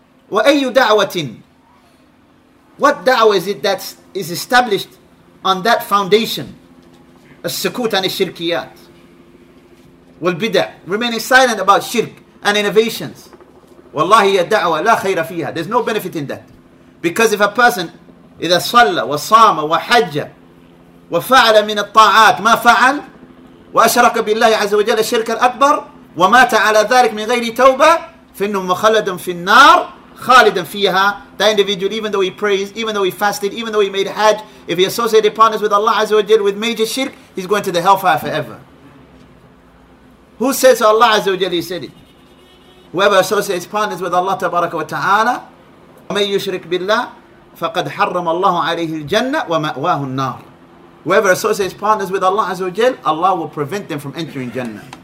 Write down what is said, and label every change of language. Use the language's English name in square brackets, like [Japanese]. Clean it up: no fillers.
[Arabic] Wa ayyu da'watin? [English] What da'wah is it that is established on that foundation? [Arabic] As-sukut an ash-shirkiyat. Wal-bid'ah. [English] Remaining silent about shirk and innovations. [Arabic] Wallahi ya da'wah la khayra fiha. [English] There's no benefit in that. Because if a person... [Arabic] إذا صلى وصام وحج وفعل من الطاعات ما فعل وأشرك بالله عز وجل الشرك الأكبر ومات على ذلك من غير توبة فإنه مخلد في النار خالدا فيها. [English] That individual, even though he prays, even though he fasted, even though he made hajj, if he associated partners with Allah عز وجل with major shirk, he's going to the hellfire forever. Who says so? Allah عز وجل, he said it. Whoever associates partners with Allah [Arabic] تبارك وتعالى ومن يشرك بالله فَقَدْ حَرَّمَ اللَّهُ عَلَيْهِ الْجَنَّةِ وَمَأْوَاهُ النَّارِ [English] Whoever associates partners with Allah Azza wa Jal, Allah will prevent them from entering Jannah.